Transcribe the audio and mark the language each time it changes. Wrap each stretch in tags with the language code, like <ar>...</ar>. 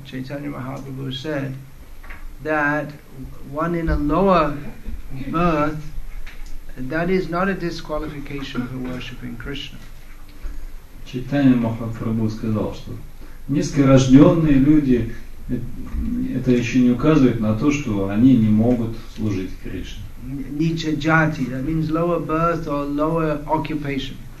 <en>Chaitanya Mahaprabhu said that one in a lower birth, that is not a disqualification for worshipping Krishna.</en> <ru>Chaitanya Mahaprabhu сказал, что Низкорожденные люди, это еще не указывает на то, что они не могут служить Кришне.</ru> <en>Nicha jati, that means lower birth or lower occupation.</en>